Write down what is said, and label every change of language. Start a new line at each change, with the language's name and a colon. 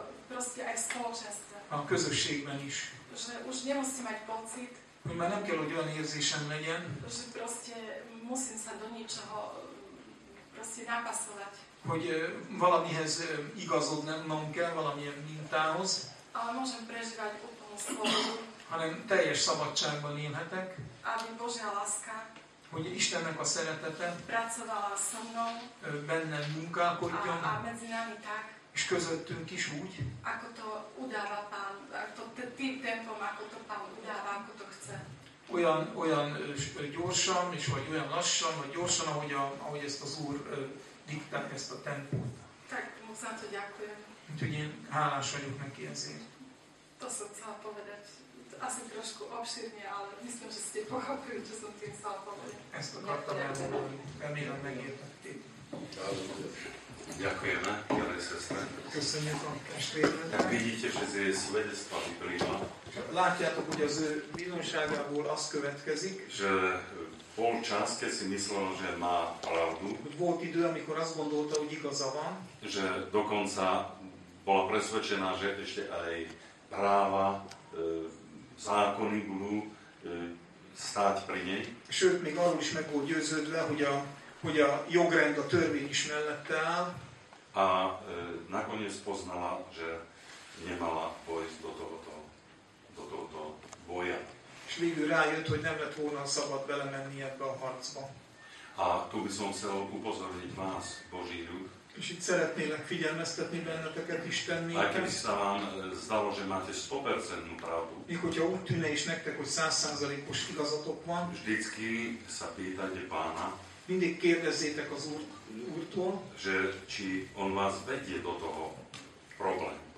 Slovak: Proste aj spoločenstve.
Hungarian: A közösségben is.
Slovak: Že už nemusím mať pocit,
Hungarian: hogy már nem kell, hogy olyan érzésem legyen,
Slovak: že proste musím sa do ničoho proste napasovať.
Hungarian: Hogy valamihez igazodnom kell, valamilyen mintához.
Slovak: Ale môžem prežívať úplnú slobodu.
Hungarian: Hanem teljes szabadságban élhetek.
Slovak: Aby Božia láska,
Hungarian: hogy Istennek a szeretete
Slovak: pracovala so mnou,
Hungarian: bennem munkálkodjon.
Slovak: A medzi nami tak.
Hungarian: És közöttünk is úgy.
Slovak: Ako to udáva Pán, ako to tým tempom, ako to Pán udáva, ako to chce.
Hungarian: Olyan gyorsan, és vagy olyan lassan, vagy gyorsan, ahogy ezt az Úr diktál, ezt a tempót.
Slovak: Tak, muszám, hogy ďakujem.
Hungarian: Úgyhogy én hálás vagyok neki ezért.
Slovak: To som chcela povedať. Asi trošku obširne, ale myslím, že ste pochopili, čo som tým chcela povedať.
Hungarian: Ezt akartam elmondani. Remélem megértettél.
Slovak: Ďakujeme, milé sestre.
Hungarian: Köszönjük a testvéret.
Slovak: Tak vidíte, že zje svedectva Biblia.
Hungarian: Látjátok, hogy az ő bizonyságából az következik,
Slovak: že bol čas, keď si myslel, že má pravdu.
Hungarian: Volt idő, amikor azt gondolta, hogy igaza van.
Slovak: Že dokonca bola presvedčená, že ešte aj práva, zákony budú stáť pri nej.
Hungarian: Sőt, még arról is meg volt győződve, hogy a jogrend, a törvény is mellette áll.
Slovak: A nakoniec poznala, že nemala vojsť do tohoto boja.
Hungarian: És végül rájött, hogy nem lett volna szabad belemenni ebbe a harcba.
Slovak: A tu by som chcel upozorniť vás, Boží ľud.
Hungarian: És itt szeretnélek figyelmeztetni benneteket, Isten minket.
Slovak: Aj keby sa vám zdalo, že máte 100% pravdu.
Hungarian: Még hogyha úgy tűne is nektek, hogy 100%-os igazatok van.
Slovak: Vždycky sa pýtajte Pána.
Hungarian: Mindig kérdezzétek az Úrtól,
Slovak: že či on vás vedie do toho problém.